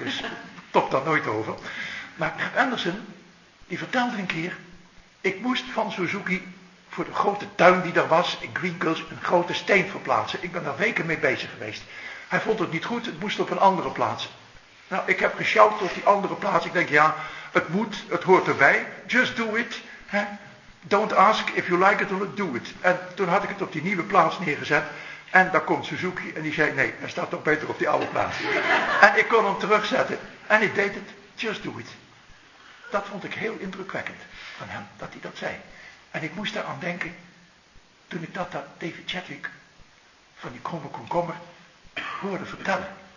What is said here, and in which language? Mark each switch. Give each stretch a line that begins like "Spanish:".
Dutch: Dus top daar nooit over. Maar Gerd Andersen, die vertelde een keer. Ik moest van Suzuki voor de grote tuin die er was in Green Gulch een grote steen verplaatsen. Ik ben daar weken mee bezig geweest. Hij vond het niet goed, het moest op een andere plaats. Nou, ik heb gesjouwd op die andere plaats. Ik denk, ja, het moet, het hoort erbij.
English: Just do it. Hè? Don't ask if you like it or not, do it.
Dutch: En toen had ik het op die nieuwe plaats neergezet. En daar komt Suzuki en die zei, nee, hij staat toch beter op die oude plaats. En ik kon hem terugzetten. En ik deed het,
English: just do it.
Dutch: Dat vond ik heel indrukwekkend van hem, dat hij dat zei. En ik moest eraan denken, toen ik dat David Chadwick van die kromme komkommer hoorde vertellen.